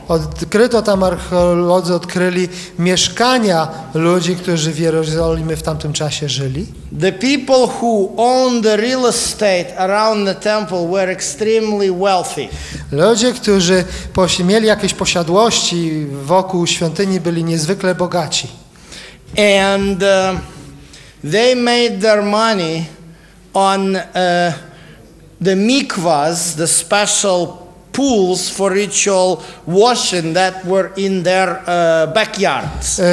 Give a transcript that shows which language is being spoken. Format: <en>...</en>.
<pl>Odkryto tam, archeolodzy odkryli mieszkania ludzi, którzy w Jerozolimie w tamtym czasie żyli.</pl> <en>The people who owned the real estate around the temple were extremely wealthy.</en> <pl>Ludzie, którzy mieli jakieś posiadłości wokół świątyni, byli niezwykle bogaci.</pl> <en>And they made their money on the mikvahs, the special pools for ritual washing that were in their backyards.</en>